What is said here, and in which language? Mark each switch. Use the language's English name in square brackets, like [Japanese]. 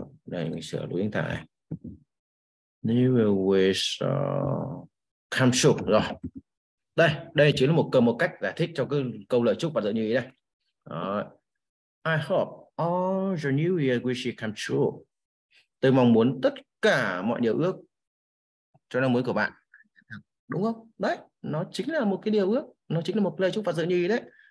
[Vietnamese] Đây mình sửa lỗi thằng này. [English] New Year wish come true. [Vietnamese] Rồi. Đây chỉ là một cách giải thích cho cái câu lời chúc và dự như ý đây. [English] I hope all your new year wishes come true. [Vietnamese] Tôi mong muốn tất cả mọi điều ước cho năm mới của bạn. Đúng không? Đấy, nó chính là một cái điều ước, nó chính là một lời chúc và dự như ý đấy.